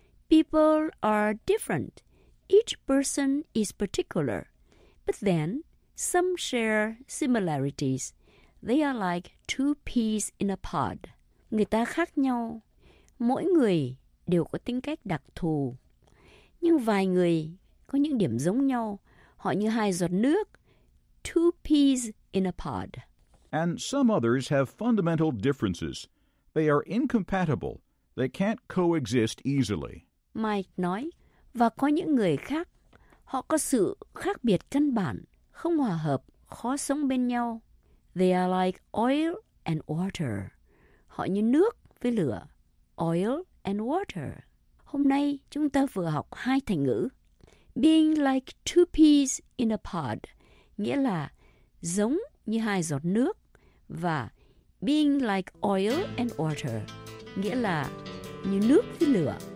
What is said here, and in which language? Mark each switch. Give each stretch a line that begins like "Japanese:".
English: People are different. Each person is particular. But then, some share similarities. They are like two peas in a pod.
Vietnamese: Người ta khác nhau. Mỗi người đều có tính cách đặc thù. Nhưng vài người có những điểm giống nhau. Họ như hai giọt nước.
English: Two peas in a pod. And some others have fundamental differences. They are incompatible. They can't coexist easily.
Vietnamese: Mike nói, và có những người khác, họ có sự khác biệt căn bản, không hòa hợp, khó sống bên nhau.
English: They are like oil and water.
Vietnamese: Họ như nước với lửa.
English: Oil and water.
Vietnamese: Hôm nay, chúng ta vừa học hai thành ngữ.
English: Being like two peas in a pod,
Vietnamese: nghĩa là giống như hai giọt nước, và
English: being like oil and water,
Vietnamese: nghĩa là như nước với lửa.